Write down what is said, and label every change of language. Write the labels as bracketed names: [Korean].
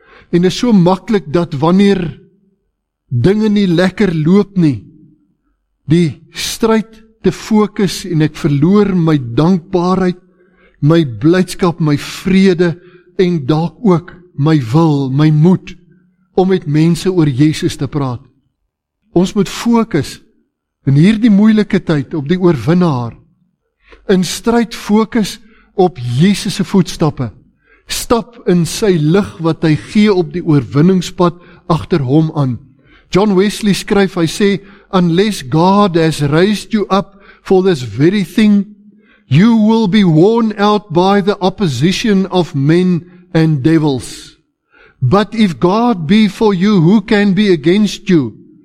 [Afrikaans] En is so maklik dat wanneer dinge nie lekker loop nie, die stryd te fokus en ek verloor my dankbaarheid, my blydskap, my vrede en dalk ook my wil, my moed om met mense oor Jesus te praat. Ons moet fokus in hierdie moeilike tyd op die oorwinnaar. In stryd fokus op Jesus' voetstappe. Stap in sy lig wat hy gee op die oorwinningspad agter hom aan. [English] John Wesley [Afrikaans] skryf, hy sê, [English] unless God has raised you up for this very thing, you will be worn out by the opposition of men and devils. But if God be for you, who can be against you?